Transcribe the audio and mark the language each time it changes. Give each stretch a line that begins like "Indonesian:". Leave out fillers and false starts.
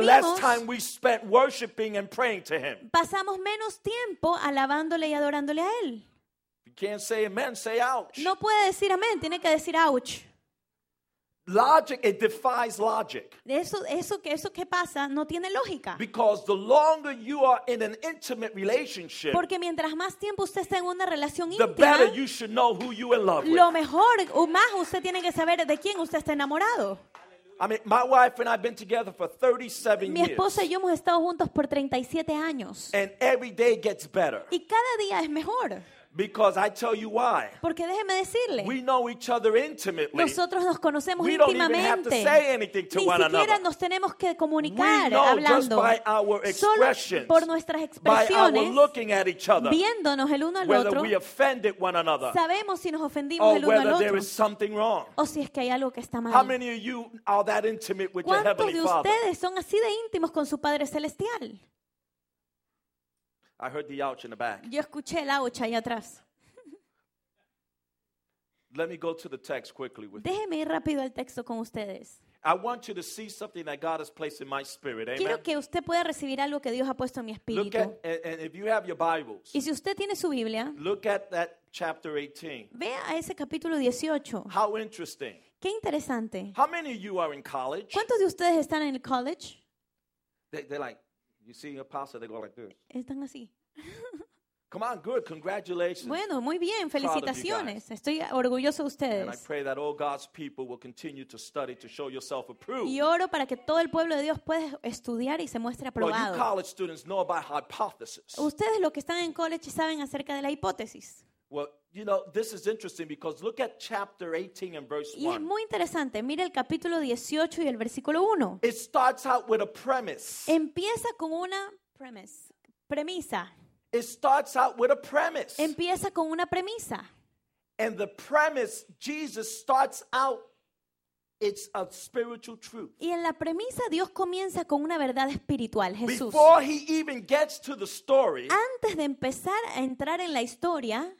English: the less time we spent worshiping and praying to him,
Spanish: pasamos menos tiempo alabándole y adorándole a él.
English: You can't say amen, say ouch.
Spanish: No puede decir amén, tiene que decir ouch.
English: Logic, it defies logic.
Spanish: Eso que pasa no tiene lógica.
English: Because the longer you are in an intimate relationship,
Spanish: porque mientras más tiempo usted está en una relación
English: the
Spanish: íntima,
English: the better you should know who you're in love with.
Spanish: Lo mejor o más usted tiene que saber de quién usted está enamorado.
English: I mean, my wife and I have been together for 37 years.
Spanish: Mi esposa y yo hemos estado juntos por 37 años.
English: And every day gets better.
Spanish: Y cada día es mejor.
English: Because I tell you why.
Spanish: Porque déjeme decirle.
English: We know each other intimately.
Spanish: Nosotros nos conocemos
English: we
Spanish: íntimamente.
English: Don't even have to say anything to
Spanish: ni
English: one
Spanish: siquiera
English: another.
Spanish: Nos tenemos que comunicar
English: we know
Spanish: hablando.
English: Just by our expressions,
Spanish: solo por nuestras expresiones.
English: By our looking at each other,
Spanish: viéndonos el uno al
English: whether
Spanish: otro.
English: We offended one another,
Spanish: sabemos si nos ofendimos
English: or
Spanish: el uno
English: whether
Spanish: al otro.
English: There is something wrong.
Spanish: O si es que hay algo que está mal.
English: How many of you are that intimate with your Heavenly
Spanish: Father? ¿Cuántos de ustedes
English: Father?
Spanish: Son así de íntimos con su Padre Celestial?
English: I heard the ouch in the back.
Spanish: Yo escuché el ouch ahí atrás.
English: Let me go to the text quickly with
Spanish: déjeme ir rápido al texto con ustedes.
English: I want you to see something that God has placed in my spirit. Amen.
Spanish: Quiero que usted pueda recibir algo que Dios ha puesto en mi espíritu.
English: Look at, and if you have your Bibles.
Spanish: Y si usted tiene su Biblia.
English: Look at that chapter 18.
Spanish: Vea a ese capítulo 18.
English: How interesting.
Spanish: Qué interesante.
English: How many of you are in college?
Spanish: ¿Cuántos de ustedes están en el college?
English: They're like. You see a pastor, they go like this.
Spanish: Están así.
English: Come on, good, congratulations.
Spanish: Bueno, muy bien, felicitaciones. Estoy orgulloso de ustedes.
English: And I pray that all God's people will continue to study to show yourself approved.
Spanish: Y oro para que todo el pueblo de Dios pueda estudiar y se muestre aprobado.
English: Well, you college students know about hypothesis.
Spanish: Ustedes los que están en college saben acerca de la hipótesis.
English: Well, you know, this is interesting because look at chapter 18 and verse 1.
Spanish: Y es muy interesante. Mira el capítulo 18 y el versículo 1.
English: It starts out with a premise.
Spanish: Empieza con una premisa.
English: It starts out with a premise.
Spanish: Empieza con una premisa.
English: And the premise, Jesus starts out, it's a spiritual truth.
Spanish: Y en la premisa Dios comienza con una verdad espiritual, Jesús.
English: Before he even gets to the story,
Spanish: antes de empezar a entrar en la historia,